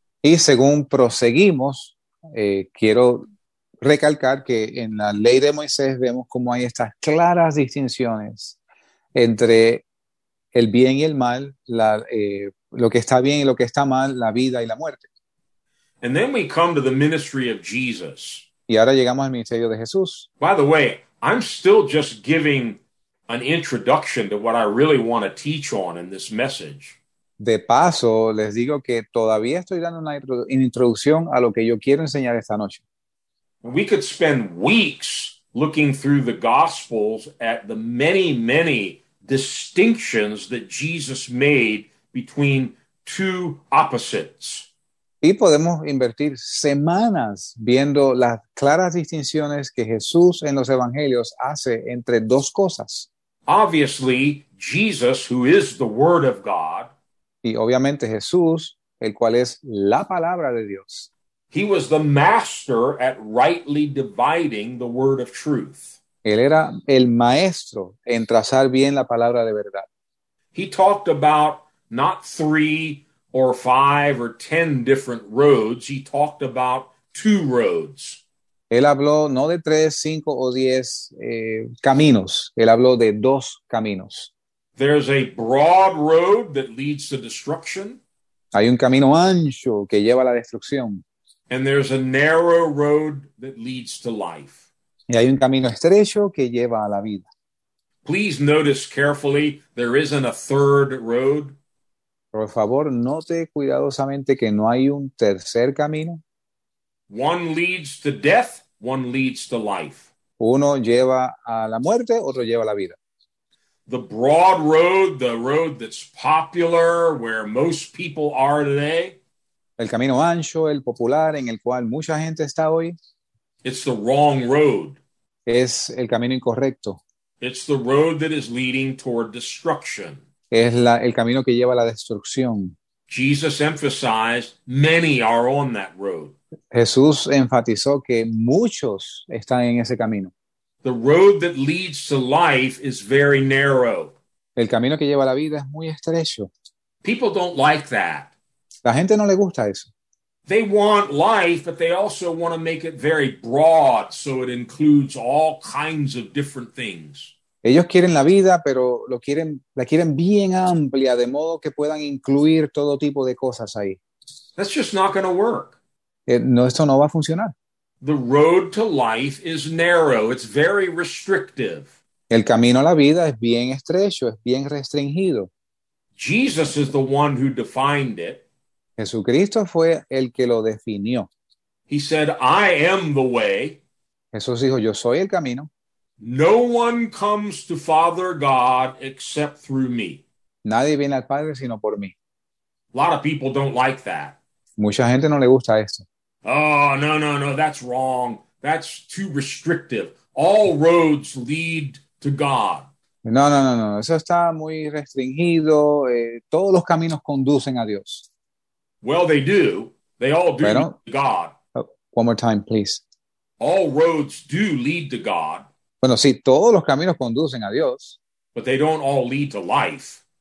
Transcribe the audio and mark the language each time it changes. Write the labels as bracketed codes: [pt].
[es] Y según proseguimos, quiero recalcar que en la ley de Moisés vemos cómo hay estas claras distinciones entre el bien y el mal, lo que está bien y lo que está mal, la vida y la muerte. [en] And then we come to the ministry of Jesus. [es] Y ahora llegamos al ministerio de Jesús. [en] By the way, I'm still just giving an introduction to what I really want to teach on in this message. [es] De paso, les digo que todavía estoy dando una introducción a lo que yo quiero enseñar esta noche. [en] We could spend weeks looking through the Gospels at the many, many distinctions that Jesus made between two opposites. [es] Y podemos invertir semanas viendo las claras distinciones que Jesús en los evangelios hace entre dos cosas. [en] Obviously, Jesus, who is the Word of God, [es] y obviamente Jesús, el cual es la palabra de Dios, [en] he was the master at rightly dividing the word of truth. [es] Él era el maestro en trazar bien la palabra de verdad. [en] He talked about not three or five or ten different roads. He talked about two roads. [es] Él habló no de tres, cinco o diez caminos. Él habló de dos caminos. [en] There's a broad road that leads to destruction. [es] Hay un camino ancho que lleva a la destrucción. [en] And there's a narrow road that leads to life. [es] Y hay un camino estrecho que lleva a la vida. [en] Please notice carefully, there isn't a third road. [es] Por favor, note cuidadosamente que no hay un tercer camino. [en] One leads to death, one leads to life. [es] Uno lleva a la muerte, otro lleva a la vida. [en] The broad road, the road that's popular, where most people are today. [es] El camino ancho, el popular, en el cual mucha gente está hoy. [en] It's the wrong road. [es] Es el camino incorrecto. [en] It's the road that is leading toward destruction. [es] Es el camino que lleva a la destrucción. [en] Jesus emphasized many are on that road. [es] Jesús enfatizó que muchos están en ese camino. [en] The road that leads to life is very narrow. [es] El camino que lleva a la vida es muy estrecho. [en] People don't like that. [es] La gente no le gusta eso. [en] They want life, but they also want to make it very broad so it includes all kinds of different things. [es] Ellos quieren la vida, pero la quieren bien amplia, de modo que puedan incluir todo tipo de cosas ahí. [en] That's just not going to work. [es] No, esto no va a funcionar. [en] The road to life is narrow. It's very restrictive. [es] El camino a la vida es bien estrecho, es bien restringido. [en] Jesus is the one who defined it. [es] Jesucristo fue el que lo definió. [en] He said, I am the way. [es] Jesús dijo, yo soy el camino. [en] No one comes to Father God except through me. [es] Nadie viene al Padre sino por mí. [en] A lot of people don't like that. [es] Mucha gente no le gusta esto. [en] Oh, no, no, no, that's wrong. That's too restrictive. All roads lead to God. [es] No, no, no, no, eso está muy restringido. Todos los caminos conducen a Dios. [en] Well, they do. They all do lead to God. Oh, one more time, please. All roads do lead to God. [es] Bueno, sí, todos los caminos conducen a Dios. [en] But they don't all lead to life.